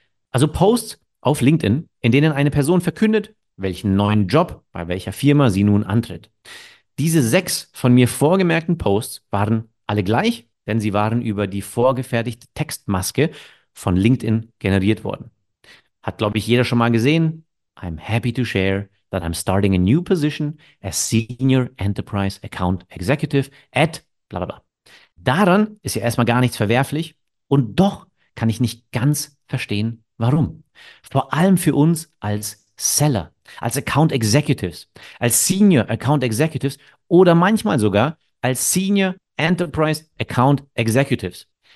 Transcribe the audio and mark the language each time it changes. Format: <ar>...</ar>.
<de>Also Posts auf LinkedIn, in denen eine Person verkündet, welchen neuen Job bei welcher Firma sie nun antritt. Diese 6 von mir vorgemerkten Posts waren alle gleich, denn sie waren über die vorgefertigte Textmaske von LinkedIn generiert worden. Hat, glaube ich, jeder schon mal gesehen.</de> <en>I'm happy to share that I'm starting a new position as Senior Enterprise Account Executive at bla bla bla.</en> <de>Daran ist ja erstmal gar nichts verwerflich und doch kann ich nicht ganz verstehen, warum. Vor allem für uns als Seller, als Account Executives, als Senior Account Executives oder manchmal sogar als Senior Enterprise Account Executives.</de>